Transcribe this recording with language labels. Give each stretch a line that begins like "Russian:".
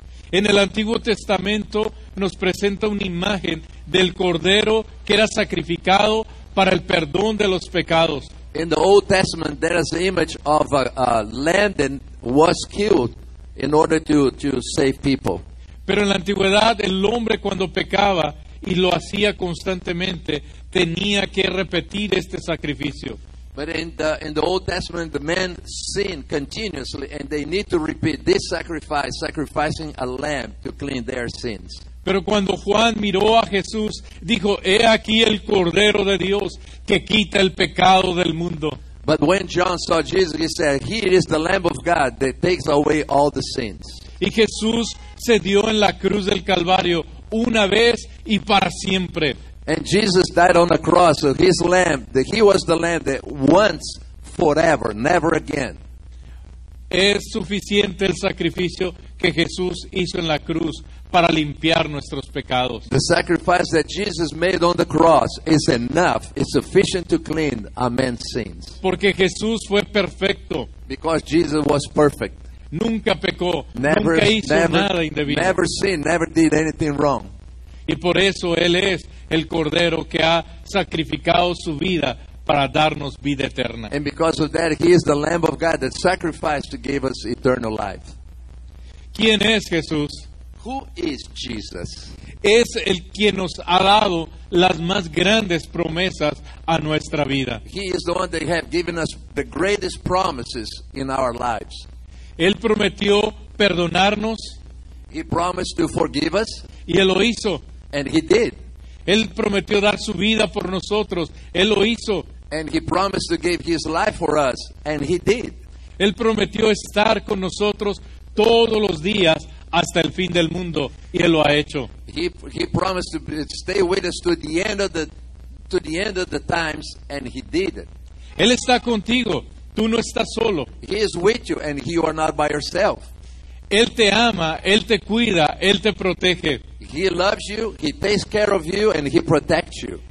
Spanish: En el Antiguo Testamento nos presenta una imagen del cordero que era sacrificado para el perdón de los pecados.
English: In the Old Testament there is an image of a lamb that was killed in order to save people.
Spanish: Pero en la antigüedad el hombre cuando pecaba y lo hacía constantemente tenía que repetir este sacrificio.
English: But in the Old Testament the man sinned continuously and they need to repeat this sacrifice, sacrificing a lamb to clean their sins.
Spanish: Pero cuando Juan miró a Jesús dijo, he aquí el Cordero de Dios que quita el pecado del mundo.
English: But when John saw Jesus he said, here is the Lamb of God that takes away all the sins.
Spanish: Y Jesús se dio en la cruz del Calvario una vez y para siempre.
English: And Jesus died on the cross of his lamb, that he was the lamb that once, forever, never again.
Spanish: Es suficiente el sacrificio que Jesús hizo en la cruz para limpiar nuestros pecados.
English: The sacrifice that Jesus made on the cross is enough, is sufficient to clean a man's sins.
Spanish: Porque Jesús fue perfecto.
English: Because Jesus was perfect.
Spanish: Nunca pecó,
English: never,
Spanish: nunca hizo
English: never,
Spanish: nada indebido.
English: Never sinned, never did anything wrong.
Spanish: Y por eso Él es el Cordero que ha sacrificado su vida para darnos vida eterna.
English: And because of that, He is the Lamb of God that sacrificed to give us eternal life.
Spanish: ¿Quién es Jesús?
English: Who is Jesus?
Spanish: Es el quien nos ha dado las más grandes promesas a nuestra vida.
English: He is the one that has given us the greatest promises in our lives.
Spanish: Él prometió perdonarnos.
English: He promised to forgive us.
Spanish: Y Él lo hizo.
English: And He did.
Spanish: Él prometió dar su vida por nosotros. Él lo hizo.
English: And He promised to give His life for us. And He did.
Spanish: Él prometió estar con nosotros todos los días hasta el fin del mundo. Y Él lo ha hecho.
English: He promised to stay with us to the end of the times. And He did it.
Spanish: Él está contigo. Tú no estás solo.
English: He is with you and you are not by yourself.
Spanish: Él te ama, Él te cuida, Él te protege.
English: He loves you, He takes care of you and He protects you.